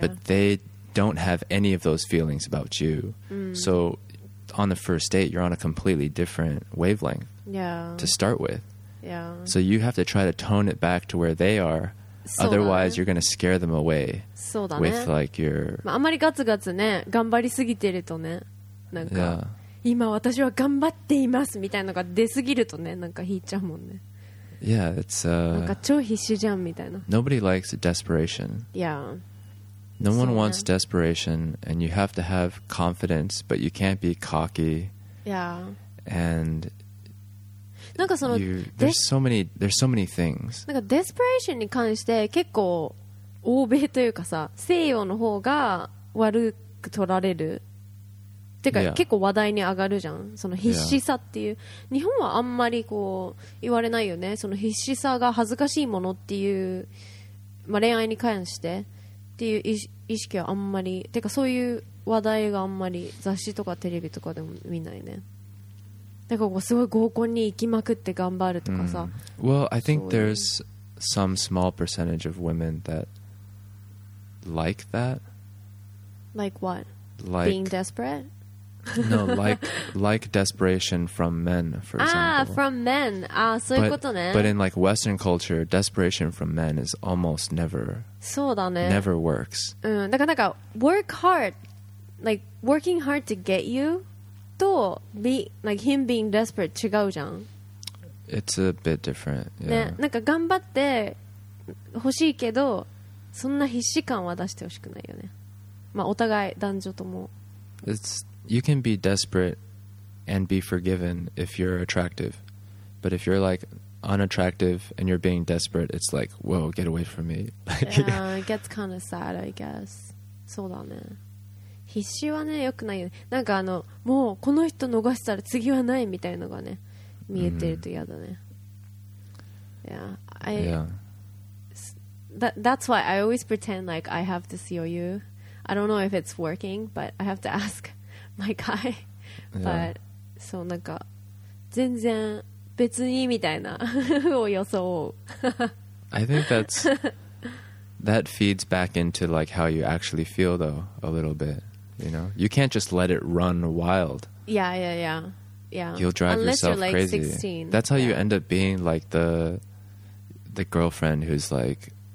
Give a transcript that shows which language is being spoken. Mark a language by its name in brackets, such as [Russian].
[English] But they don't have any of those feelings about you. So on the first date, you're on a completely different wavelength to start with. Yeah. So you have to try to tone it back to where they are. Otherwise, you're going to scare them away with like your... [Japanese] あんまりガツガツね、頑張りすぎてるとね、なんか。 [English] Yeah. [Japanese] 今私は頑張っていますみたいなのが出すぎるとね、なんか引いちゃうもんね。 [English] Yeah, it's [Japanese] なんか超必死じゃんみたいな。 [English] Nobody likes desperation. Yeah. No one wants desperation, and you have to have confidence, but you can't be cocky. Yeah. And [Japanese] なんかその [English] there's so many things. [Japanese] なんか desperation に関して結構欧米というかさ、西洋の方が悪く取られる。てか結構話題に上がるじゃん、その必死さっていう。日本はあんまりこう言われないよね、その必死さが恥ずかしいものっていう、まあ、恋愛に関してっていう意識はあんまり、てかそういう話題があんまり雑誌とかテレビとかでも見ないね。なんかこうすごい合コンに行きまくって頑張るとかさ、 [English] Well, I think there's some small percentage of women that like that. Like what? Like being desperate? No, like desperation from men, for example. Ah, from men. Ah, [Japanese] そういうことね。 [English] But in like Western culture, desperation from men is almost never. [Japanese] そうだね。 [English] Never works. [Japanese] だからなんか [English] work hard, like working hard to get you, [Japanese] と [English] be like him being desperate [Japanese] 違うじゃん。 [English] It's a bit different. Yeah. [Japanese] ね、なんか頑張って欲しいけど、そんな必死感は出してほしくないよね。まあお互い男女とも。 [English] You can be desperate and be forgiven if you're attractive. But if you're like unattractive and you're being desperate, it's like, whoa, get away from me. Yeah, it gets kind of sad, I guess. [Japanese] そうだね。必死はね、良くないよね。なんかあの、もうこの人逃したら次はないみたいなのがね、見えてると嫌だね。 [English] Yeah. That's why I always pretend like I have this余裕. I don't know if it's working, but I have to ask. My guy. [Japanese] But, そうなんか全然別にみたいなを装う。 [English] I think that feeds back into like how you actually feel though, a little bit. You know? You can't just let it run wild. Yeah. You'll drive yourself crazy. Unless you're like 16. That's how you end up being like the girlfriend who's like